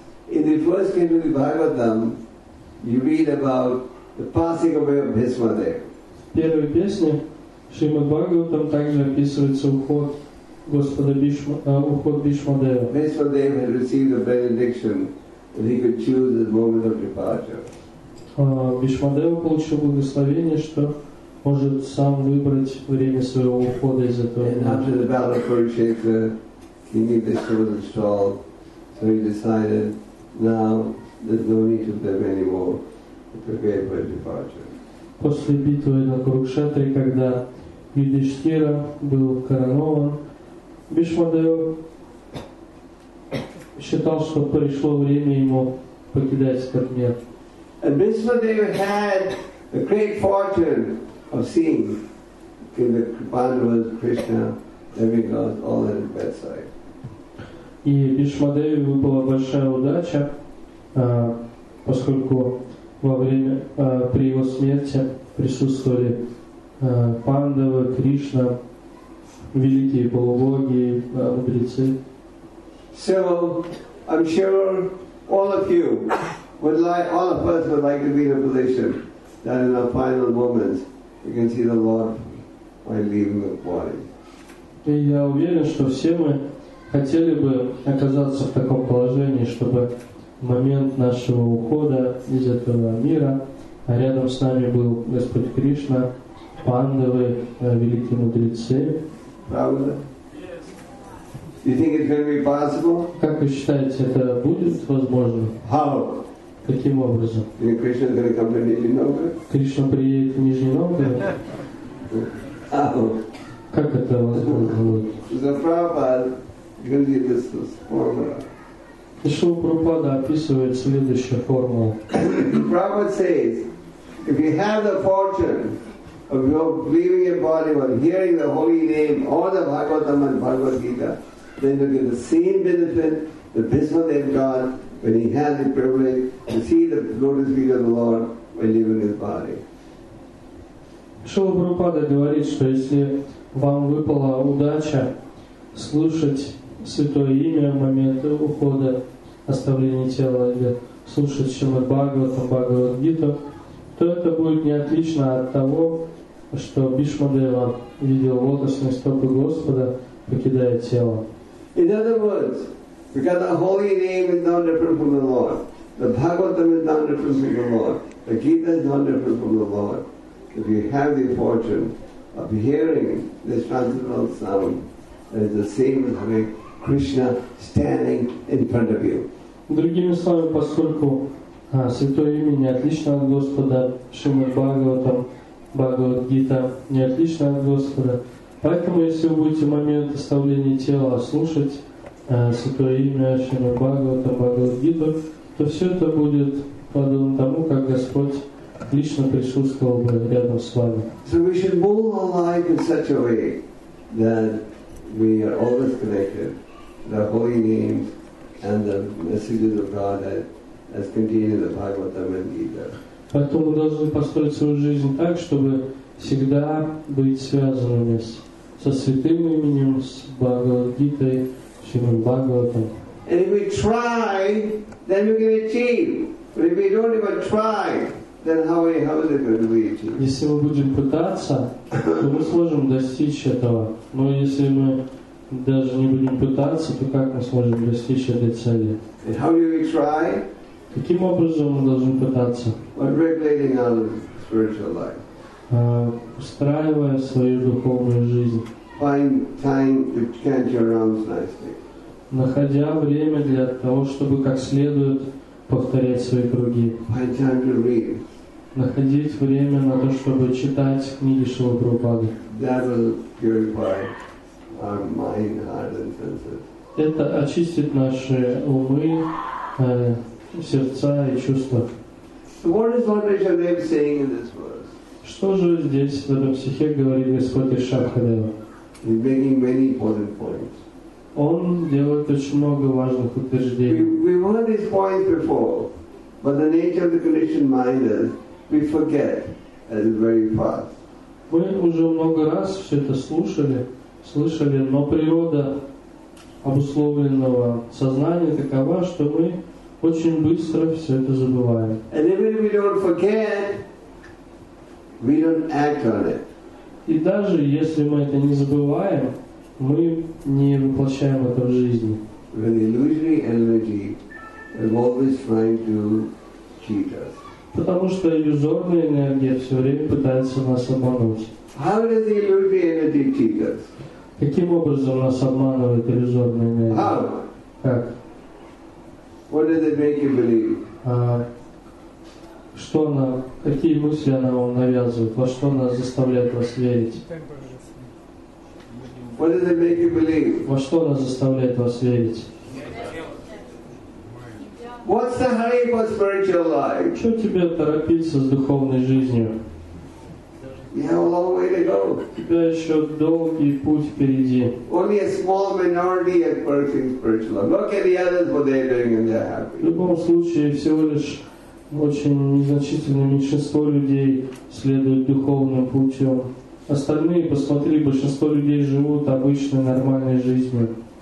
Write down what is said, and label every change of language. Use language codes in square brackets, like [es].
[en] In the first canto of the Bhagavatam, you read about the passing away of Bhishmadev. [ru] В первой песне Шримад Бхагаватам также описывается уход Господа Бишма, уход Бишмадева. [en] Бишмадев had received a benediction that he could choose his moment of departure. [ru] Бишмадева получил благословение, что может сам выбрать время своего ухода из этого мира. [en] And after the battle of Kurukshetra, King Yudhishthira was installed, so he decided, now there's no need to live anymore, to prepare for his departure. [ru] после битвы на Курукшетре, когда Юдиштхира был коронован, Бишма Дева считал, что пришло время ему покидать этот мир. [en] And Bhishma Deva had the great fortune of seeing in the Pandavas, Krishna, demigods, all at his bedside. [ru] И Бишма Деве выпала большая удача, поскольку во время при его смерти присутствовали Пандавы, Кришна, великие полубоги, мудрецы. [en] So, I'm sure all of you would like, all of us would like to be in a position that in our final moments we can see the Lord by leaving the body. [ru] И я уверен, что все мы хотели бы оказаться в таком положении, чтобы в момент нашего ухода из этого мира рядом с нами был Господь Кришна, Пандавы, великие мудрецы. Правда? [en] You think it's going to be possible? [ru] Как вы считаете, это будет возможно? [en] How? [ru] Каким образом? [en] Krishna is going to come to Nizhny Novgorod? [ru] Кришна приедет в Нижний Новгород? [en] How? [ru] Как это возможно будет? [en] The Prabhupada gives you this formula. [ru] Шрила Прабхупада описывает следующую формулу. [en] Prabhupada says, if you have the fortune of your leaving your body while hearing the holy name or the Bhagavatam and Bhagavad Gita, then you get the same benefit the Bhishma Dev got when he had the privilege to see the lotus feet of the Lord while leaving his body. [ru] Шрила Прабхупада говорит, что если вам выпала удача слушать святое имя в момент ухода, оставления тела, или слушать Шримад Бхагаватам, Бхагавад Гиту, то это будет не отлично от того, что Бишма Дева видел лотосные стопы Господа, покидая тело. [en] In other words, because the holy name is not different from the Lord, the Bhagavatam is not different from the Lord, the Gita is not different from the Lord, if you have the fortune of hearing this transcendental sound, that is the same as having Krishna standing in front of you. [ru] Другими словами, поскольку святое имя не отлично от Господа, Шримад Бхагаватам, Бхагавад Гита не отлично от Господа, поэтому, если вы будете в момент оставления тела слушать Святое имя Шримад Бхагаватам, Бхагавад Гиту, то все это будет подобно тому, как Господь лично присутствовал бы рядом с вами. [en] So we should move our life in such a way that we are always connected to the holy names and the messages of God as contained in the Bhagavatam and Gita. [ru] Поэтому мы должны построить свою жизнь так, чтобы всегда быть связанными со святым именем, с Бхагавад-гитой, Шримад Бхагаватам. [en] And if we try, then we can achieve. But if we don't even try, then how is it going to be achieved? [ru] Если мы будем пытаться, то мы сможем достичь этого. Но если мы даже не будем пытаться, то как мы сможем достичь этой цели? [en] And how do we try? [ru] Каким образом мы должны пытаться? [en] By regulating our spiritual life. [ru] Устраивая свою духовную жизнь. [en] Find time to chant your rounds nicely. [ru] Находя время для того, чтобы как следует повторять свои круги. [en] Find time to read. [ru] Находить время на то, чтобы читать книги Шрилы Прабхупады. [en] That will purify our mind, heart and senses. [ru] Это очистит наши умы, сердца и чувства. [en] So what is Lord Vishwadeva saying in this world? [ru] Что же здесь, в этом стихе, говорит Господь Ишакхадева? [en] He's making many important points. [ru] Он делает очень много важных утверждений. [en] We've heard these points before, but the nature of the conditioned mind is, we forget, and it's very fast. [ru] Мы уже много раз все это слышали, но природа обусловленного сознания такова, что мы очень быстро все это забываем. [en] And even if we don't forget, we don't act on it. [ru] И даже если мы это не забываем, мы не воплощаем это в жизни. [en] When the illusory energy is always trying to cheat us. [ru] Потому что иллюзорная энергия все время пытается нас обмануть. [en] How does the illusory energy cheat us? [ru] Каким образом нас обманывает иллюзорная энергия? [en] How? [ru] Как? [en] What does it make you believe? [ru] что она, какие мысли она вам навязывает, во что она заставляет вас верить? [en] What does it make you believe? [ru] Во что она заставляет вас верить? [en] What's the hurry for spiritual life? [ru] Что тебе торопиться с духовной жизнью? [en] You have a long way to go. [ru] У тебя еще долгий путь впереди. [en] Only a small minority is pursuing spiritual life. Look at the others, what they're doing, and they're happy. [ru] В любом случае, всего лишь очень незначительное меньшинство людей следует духовным путем. Остальные, посмотри, большинство людей живут обычной, нормальной жизнью.